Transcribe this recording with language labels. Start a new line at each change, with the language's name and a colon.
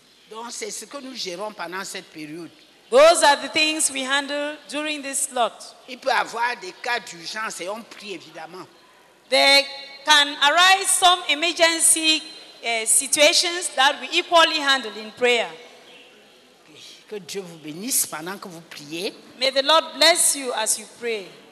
French: Donc, c'est ce que nous gérons pendant cette période.
English: Those are the things we handle during this slot.
French: Il peut y avoir des cas d'urgence et on prie évidemment.
English: There can arise some emergency situations that we equally handle in prayer.
French: Que Dieu vous bénisse pendant que vous priez.
English: May the Lord bless you as you pray.